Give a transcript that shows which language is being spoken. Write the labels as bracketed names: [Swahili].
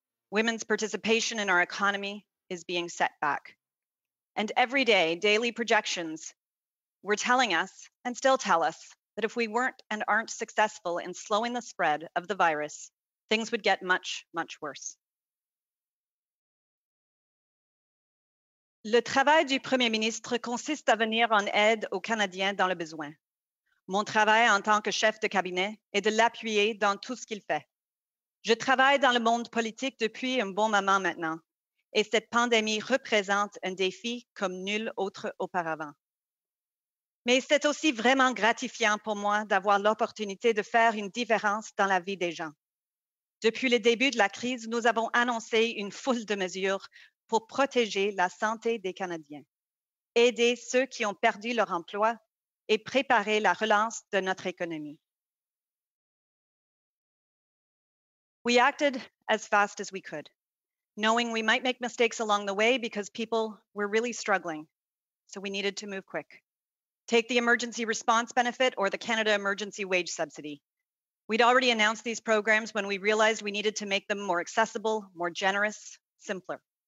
[English] Women's participation in our economy is being set back. And every day, daily projections were telling us, and still tell us, that if we weren't and aren't successful in slowing the spread of the virus, things would get much, much worse. [French] Le travail du Premier ministre consiste à venir en aide aux Canadiens dans le besoin. Mon travail en tant que chef de cabinet est de l'appuyer dans tout ce qu'il fait. Je travaille dans le monde politique depuis un bon moment maintenant, et cette pandémie représente un défi comme nul autre auparavant. Mais c'est aussi vraiment gratifiant pour moi d'avoir l'opportunité de faire une différence dans la vie des gens. Depuis le début de la crise, nous avons annoncé une foule de mesures pour protéger la santé des Canadiens, aider ceux qui ont perdu leur emploi et préparer la relance de notre économie. [English] We acted as fast as we could, knowing we might make mistakes along the way because people were really struggling. So we needed to move quick. Take the emergency response benefit or the Canada Emergency Wage Subsidy. We'd already announced these programs when we realized we needed to make them more accessible, more generous, simpler.